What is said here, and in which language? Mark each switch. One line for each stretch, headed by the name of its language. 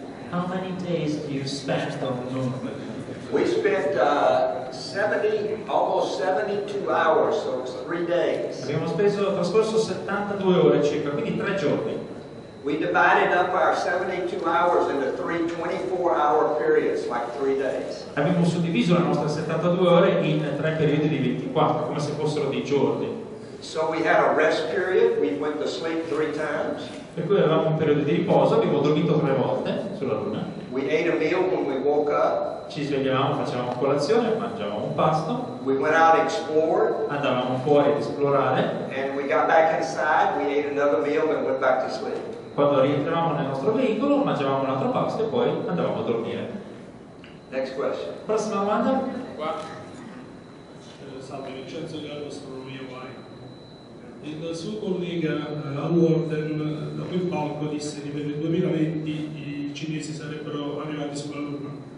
English: How many days do you spend on the moon? We spent 72 hours, so it's 3 days.
Italian: Abbiamo trascorso 72 ore circa, quindi 3 giorni.
English: We divided up our 72 hours into three 24-hour periods, like 3 days.
Italian: Abbiamo suddiviso la nostra 72 ore in tre periodi di 24, come se fossero dei giorni.
English: So we had a rest period. We went to sleep 3 times.
Italian: Per cui avevamo un periodo di riposo, abbiamo dormito 3 volte sulla luna.
English: We ate a meal when we woke up.
Italian: Ci svegliavamo, facevamo colazione, mangiavamo un pasto.
English: We went out and explored.
Italian: Andavamo fuori ad esplorare.
English: And we got back inside, we ate another meal and went back to sleep.
Italian: Quando rientravamo nel nostro veicolo, mangiavamo un altro pasto e poi andavamo a dormire.
English: Next question.
Italian: Prossima domanda. Qua. Salve, Vincenzo Gallo, Astronomia Y. Il suo collega Warden, dopo il palco, disse che per il 2020 i cinesi sarebbero arrivati sulla Luna.